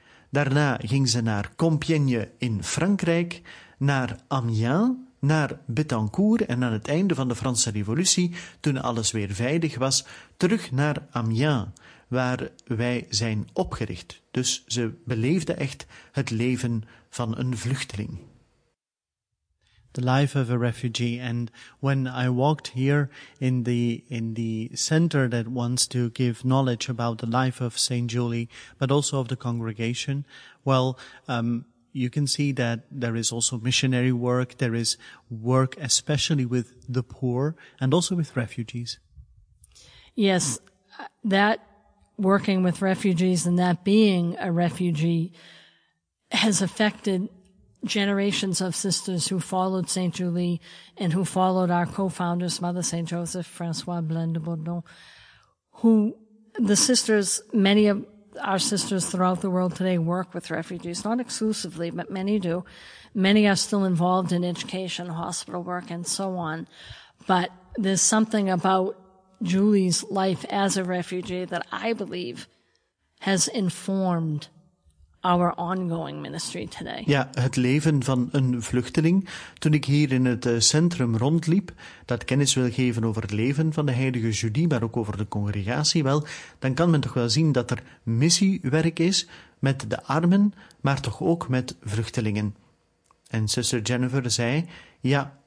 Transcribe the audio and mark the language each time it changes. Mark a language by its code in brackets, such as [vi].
[nl] Daarna ging ze naar Compiègne in Frankrijk, naar Amiens, naar Bettencourt en aan het einde van de Franse Revolutie, toen alles weer veilig was, terug naar Amiens, waar wij zijn opgericht. Dus ze beleefde echt het leven van een vluchteling. [en] The life of a refugee. And when I walked here in the center that wants to give knowledge about the life of Saint Julie, but also of the congregation, you can see that there is also missionary work. There is work especially with the poor and also with refugees. Yes, that working with refugees and that being a refugee has affected generations of sisters who followed Saint Julie and who followed our co-founders, Mother Saint Joseph, Francois Blaine de Bourdon, who the sisters, many of our sisters throughout the world today work with refugees, not exclusively, but many do. Many are still involved in education, hospital work, and so on. But there's something about Julie's life as a refugee that I believe has informed our ongoing ministry today. [nl] Ja, het leven van een vluchteling. Toen ik hier in het centrum rondliep, dat kennis wil geven over het leven van de heilige Julie, maar ook over de congregatie wel, dan kan men toch wel zien dat er missiewerk is met de armen, maar toch ook met vluchtelingen. En zuster Jennifer zei, ja,